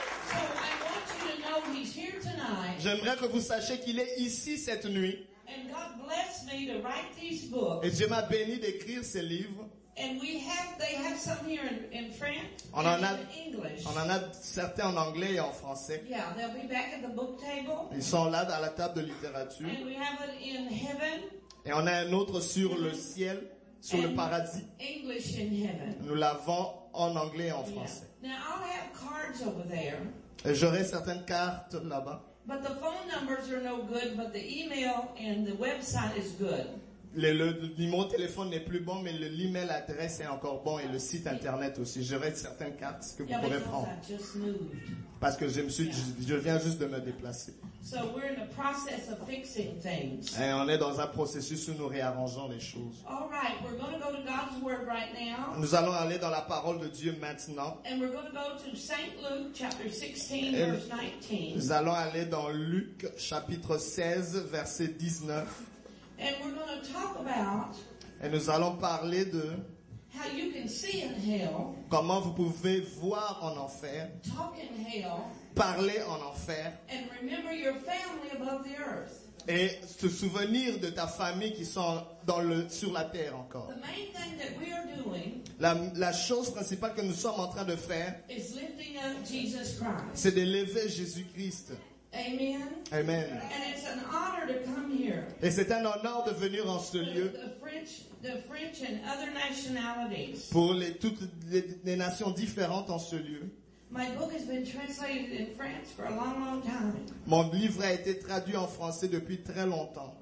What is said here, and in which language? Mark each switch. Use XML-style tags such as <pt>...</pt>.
<en>So I want you to know he's here tonight.</en> <fr>J'aimerais que vous sachiez qu'il est ici cette nuit.</fr> <en>And God blessed me to write these books.</en> <fr>Et Dieu m'a béni d'écrire ces livres.</fr> <en>And we have, they have some here in France.</en> <fr>On en a,</fr> <en>in English.</en> <fr>On en a certains en anglais et en français.</fr> <en>Yeah, they'll be back at the book table.</en> <fr>Ils sont là à la table de littérature.</fr> <en>And we have it in heaven.</en> <fr>Et on a un autre sur le ciel, sur</fr> <en>and</en> <fr>le paradis.</fr> <en>English in heaven.</en> <fr>Nous l'avons en anglais et en français.</fr> <en>Yeah. Now I'll have cards over there.</en> <fr>Et j'aurai certaines cartes là-bas.</fr> <en>But the phone numbers are no good, but the email and the website is good.</en> <fr>Le mon téléphone n'est plus bon, mais l'email adresse est encore bon et le site internet aussi. J'aurai certaines cartes que vous pourrez prendre. Parce que je viens juste de me déplacer.</fr> <en>So we're in the process of fixing things.</en> <fr>Et on est dans un processus où nous réarrangeons les choses.</fr> <en>All right, we're going to go to God's word right now.</en> <fr>Nous allons aller dans la parole de Dieu maintenant.</fr> <en>And we're going to go to Saint Luke chapter 16 verse 19.</en> <fr>Nous allons aller dans Luc chapitre 16 verset 19.</fr> <en>And we're going to talk about</en> <fr>et nous allons parler de</fr> <en>how you can see in hell,</en> <fr>comment vous pouvez voir en enfer,</fr> <en>talk in hell,</en> <fr>parler en enfer,</fr> <en>and remember your family above the earth.</en> <fr>Et se souvenir de ta famille qui sont dans le, sur la terre encore.</fr> <en>The main thing that we are doing,</en> <fr>la chose principale que nous sommes en train de faire,</fr> <en>is lifting up Jesus Christ.</en> <fr>C'est d'élever Jésus-Christ.</fr> <en>Amen.</en> <fr>Amen.</fr> <en>And it's an honor to come here.</en> <fr>Et c'est un honneur de venir en ce lieu.</fr> <en>The French and other nationalities.</en> <fr>Pour les toutes les nations différentes en ce lieu.</fr> <en>My book has been translated in France for a long, long time.</en> <fr>Mon livre a été traduit en français depuis très longtemps.</fr>